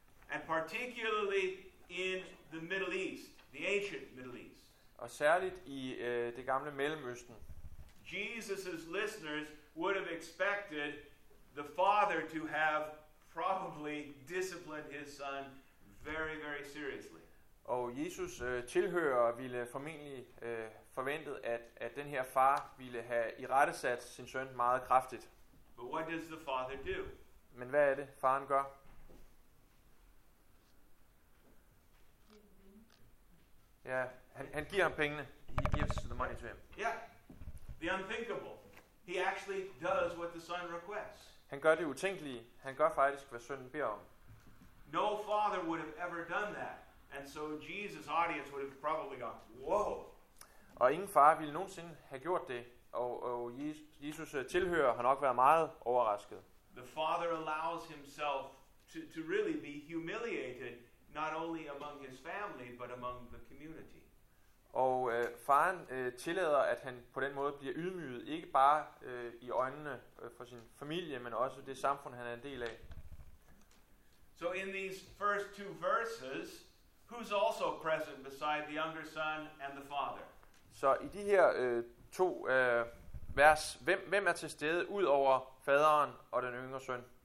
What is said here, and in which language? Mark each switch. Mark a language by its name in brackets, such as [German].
[English] And particularly in the Middle East, the ancient Middle East. [Danish] Og særligt i det gamle Mellemøsten. [English] Jesus's listeners would have expected the father to have probably disciplined his son very, very seriously. [Danish] Og Jesus tilhører ville formentlig forventet at den her far ville have irettesat sin søn meget kraftigt. [English] But what does the father do? [Danish] Men hvad er det faren gør? Ja, han giver ham pengene. [English] He gives the money to him. Yeah, the unthinkable. He actually does what the son requests. [Danish] Han gør det utænkelige. Han gør faktisk, hvad sønnen beder om. [English] No father would have ever done that. And so Jesus' audience would have probably gone, whoa. [Danish] Og ingen far ville nogensinde have gjort det. Og Jesus' tilhører har nok været meget overrasket. [English] The father allows himself to really be humiliated, not only among his family, but among the community. [Danish] Og faren tillader, at han på den måde bliver ydmyget, ikke bare i øjnene for sin familie, men også det samfund, han er en del af. [English] So in these first two verses, who's also present beside the younger son and the father? [Danish] Så i de her to vers, hvem er til stede ud over faderen og den yngre søn?